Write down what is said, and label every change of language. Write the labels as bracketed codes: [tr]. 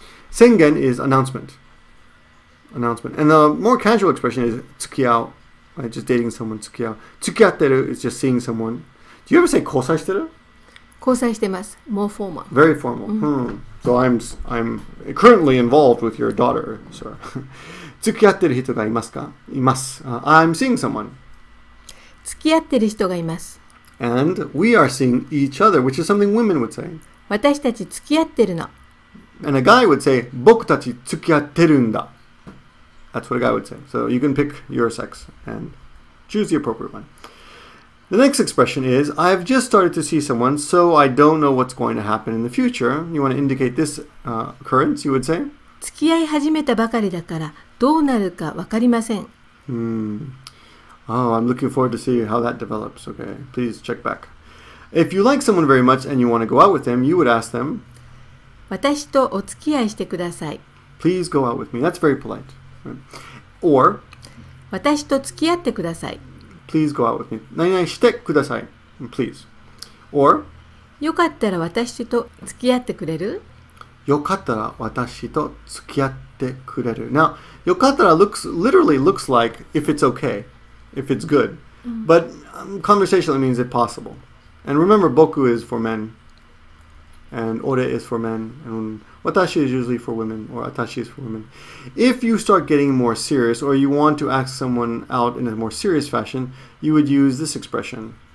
[en] 宣言 is announcement. Announcement. And the more casual expression is 付き合う.Right? Just dating someone, 付き合う.付き合ってる is just seeing someone. Do you ever say [ja] 交際してる? 交際してます. [en] More formal. Very formal. So I'm currently involved with your daughter, sir. [ja] 付き合ってる人がいますか? います. [en] I'm seeing someone. [ja] 付き合ってる人がいます. [en] And we are seeing each other, which is something women would say. [ja] 私たち付き合ってるの. [en] And a guy would say, [ja] 僕たち付き合ってるんだ. [en] That's what a guy would say. So you can pick your sex and choose the appropriate one. The next expression is, I've just started to see someone, so I don't know what's going to happen in the future. You want to indicate this occurrence, you would say? [ja] 付き合い始めたばかりだから、どうなるかわかりません。 [en] Oh, I'm looking forward to see how that develops. Okay, please check back. If you like someone very much and you want to go out with them, you would ask them, [ja] 私とお付き合いしてください。 [en] Please go out with me. That's very polite. Or, [ja] 私と付き合ってください。 [en] Please go out with me. [ja] 何々してください。 [en] Please. Or, [ja] よかったら私と付き合ってくれる? よかったら私と付き合ってくれる。 [en] Now, よかったら literally looks like if it's okay, if it's good. But conversationally means if possible. And remember, 僕 is for men. And 俺 is for men. And 私 is usually for women. Or 私 is for women. If you start getting more serious or you want to ask someone out in a more serious fashion, you would use this expression.